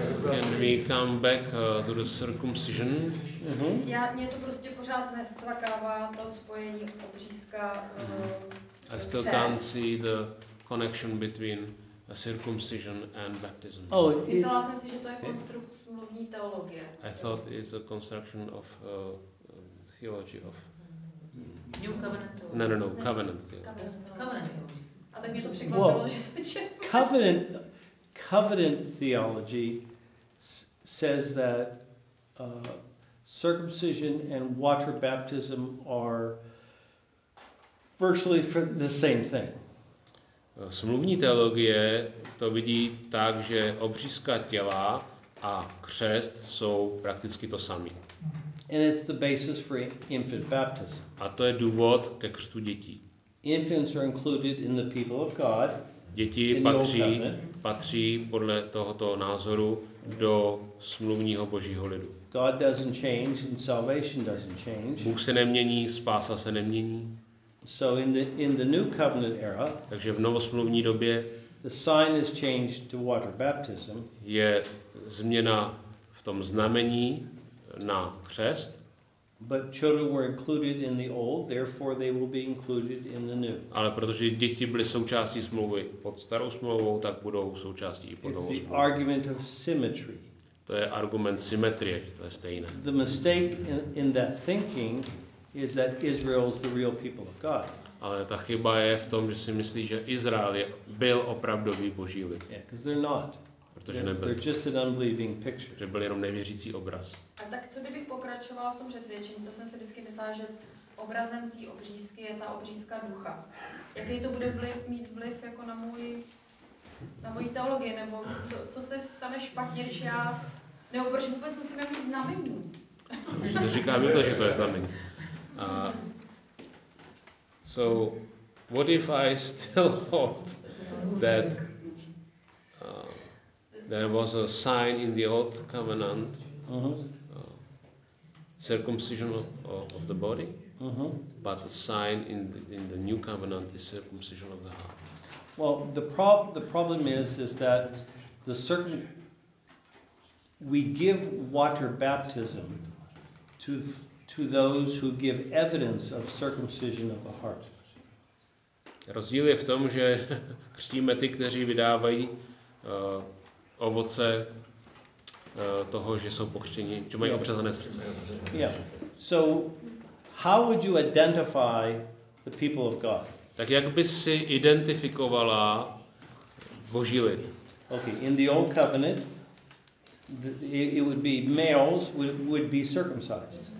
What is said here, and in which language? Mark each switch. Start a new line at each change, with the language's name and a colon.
English: Can we come back to the circumcision? Uh-huh.
Czech: Já mě to prostě pořád nescvakává to spojení obřízka.
English: I still can't see the connection between a circumcision and baptism.
Czech: Oh, myslela jsem si, že to je konstrukt smluvní teologie.
English: I thought it's a construction of theology of New covenant. No, covenant.
Czech: Covenant. A tak mě to překvapilo, že
English: se covenant theology says that circumcision and water baptism are virtually for the same thing.
Czech: Smluvní teologie to vidí tak, že obřízka těla a křest jsou prakticky to samé.
English: And it's the basis for infant baptism.
Czech: A to je důvod ke křtu dětí.
English: Infants are included in the people of God.
Czech: Děti patří podle tohoto názoru do smluvního Božího lidu.
English: God doesn't change and salvation doesn't change.
Czech: Bůh se nemění, spása se nemění.
English: So in the new covenant era,
Czech: takže v novosmluvní době,
English: the sign is changed to water baptism.
Czech: Je změna v tom znamení na křest.
English: But children were included in the old, therefore they will be included in the new.
Czech: Ale protože děti byly součástí smlouvy pod starou smlouvou, tak budou součástí i pod novou smlouvou.
English: It's the argument of symmetry.
Czech: To je argument symetrie, to je stejné.
English: The mistake in that thinking is that Israel is the real people of God.
Czech: Ale ta chyba je v tom, že si myslí, že Izrael byl opravdový Boží lid.
English: Yeah, because they're not.
Czech: Protože nebyl.
English: They're just an unbelieving picture.
Czech: Že byl jenom nevěřící obraz. A tak co kdybych pokračovala v tom přesvědčení, co jsem si vždycky myslela, že obrazem té obřízky je ta obřízka ducha. Jaký to bude mít vliv jako na moji teologii, nebo co se stane špatně, když já, nebo proč vůbec musím mít znamení? To říká Milo, že to je znamení.
English: So, what if I still thought that there was a sign in the old covenant, circumcision of the body, but the sign in the new covenant is circumcision of the heart. Well, the problem is that the circum we give water baptism to those who give evidence of circumcision of the heart.
Czech: Rozdíl je v tom, že křtíme ty, kteří vydávají ovoce toho, že jsou pokřtěni, že mají obřezané srdce.
English: Yeah. So how would you identify the people of God?
Czech: Tak jak bys si identifikovala Boží lid?
English: Okay, in the old covenant it would be males would be circumcised.